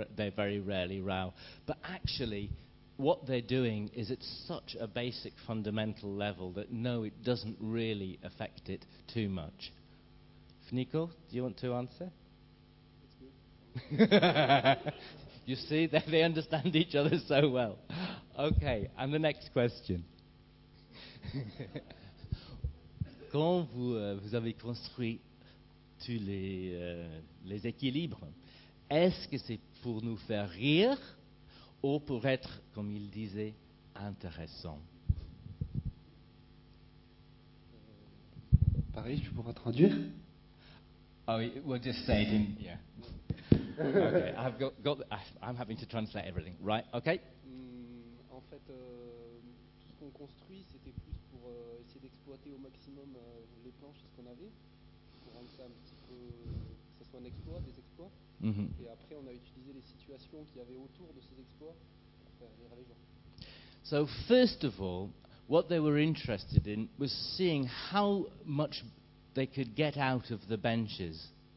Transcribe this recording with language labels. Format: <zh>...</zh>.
<en>They very rarely row. But actually, what they're doing is at such a basic fundamental level that no, it doesn't really affect it too much. Fniko, do you want to answer? You see, they understand each other so well. Okay, and the next question.</en> <fr>Quand vous avez construit les équilibres, est-ce que c'est pour nous faire rire ou pour être, comme il disait, intéressant? Paris, tu pourras traduire?</fr> <en>Oh, we'll just say it in. Yeah. Okay, I've got. I'm having to translate everything. Right. Okay.</en> <fr>En fait, tout ce qu'on construit, c'était plus pour essayer d'exploiter au maximum les planches, ce qu'on avait, pour rendre ça un petit peu, que ce soit un exploit, des exploits. Mm-hmm. Et après, on a utilisé les situations qu'il y avait autour de ces exploits pour faire rire les gens.</fr> <en>So first of all, what they were interested in was seeing how much they could get out of the benches.</en>